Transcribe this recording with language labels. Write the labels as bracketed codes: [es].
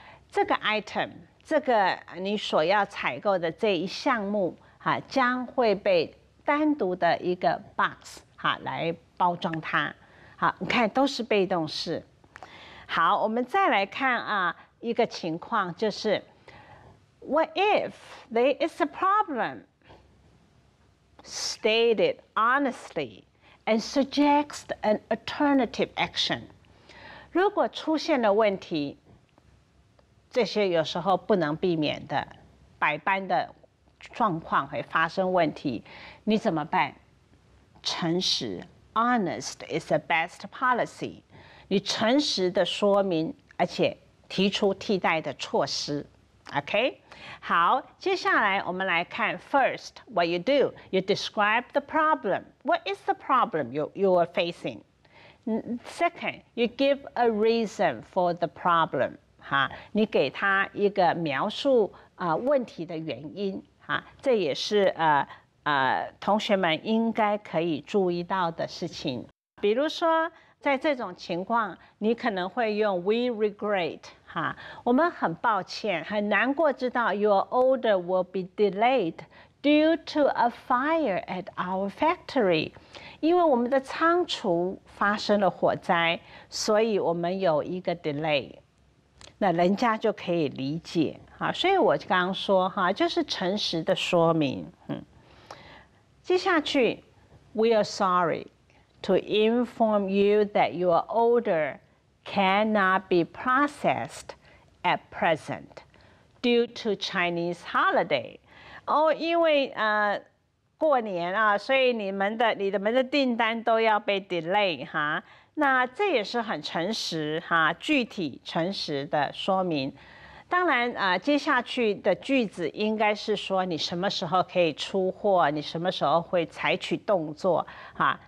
[zh] 这个 item, 这个你所要采购的这一项目将会被单独的一个 box 来包装它。好，你看都是被动式。好，我们再来看一个情况，就是 [en] What if there is a problem? State it honestly and suggest an alternative action. [zh] 如果出现了问题，这些有时候不能避免的，百般的状况会发生问题，你怎么办？诚实 [en] ，honest is the best policy。 [zh] 你诚实的说明，而且提出替代的措施。 [en] OK， [zh] 好，接下来我们来看 [en] ，first what you do， you describe the problem。 What is the problem you are facing？ Second, you give a reason for the problem. [zh] 你给他一个描述问题的原因。这也是同学们应该可以注意到的事情。比如说在这种情况你可能会用 [en] we regret. [zh] 我们很抱歉很难过知道 [en] your order will be delayed due to a fire at our factory. [zh] 因为我们的仓储发生了火灾，所以我们有一个 delay， 那人家就可以理解。好，所以我刚刚说哈，就是诚实的说明。接下去 [en] ，We are sorry to inform you that your order cannot be processed at present due to Chinese holiday。 [zh] 哦，因为过年啊，所以你们的订单都要被 delay 哈，那这也是很诚实哈，具体诚实的说明。当然接下去的句子应该是说你什么时候可以出货，你什么时候会采取动作哈。